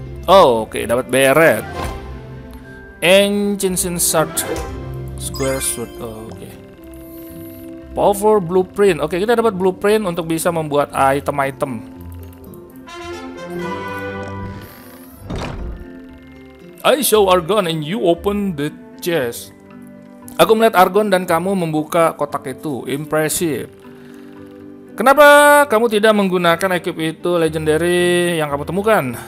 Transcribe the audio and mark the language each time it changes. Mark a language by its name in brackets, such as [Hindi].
[Indonesian] Oh, oke, okay, dapat beret. [English] Ancient sword, square sword. [Indonesian] Oh, oke. Okay. [English] Power blueprint. [Indonesian] Oke, kita dapat blueprint untuk bisa membuat item-item. [English] I show argon and you open the chest. [Indonesian] Aku melihat argon dan kamu membuka kotak itu. [English] Impressive. [Indonesian] Kenapa kamu tidak menggunakan equip itu legendary yang kamu temukan?